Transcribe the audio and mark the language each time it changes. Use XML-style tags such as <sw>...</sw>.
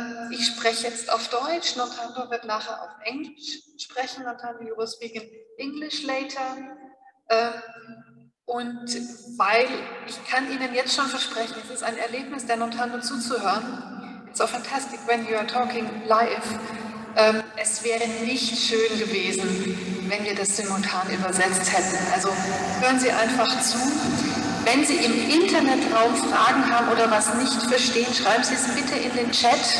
<de>Ich spreche jetzt auf Deutsch, Nontando wird nachher auf Englisch sprechen, Nontando,</de> <en>you will speak in English later.</en> <de>Und weil, ich kann Ihnen jetzt schon versprechen, es ist ein Erlebnis, der Nontando zuzuhören.</de> <en>It's so fantastic when you are talking live.</en> <de>Es wäre nicht schön gewesen, wenn wir das simultan übersetzt hätten. Also hören Sie einfach zu. Wenn Sie im Internetraum Fragen haben oder was nicht verstehen, schreiben Sie es bitte in den Chat.</de>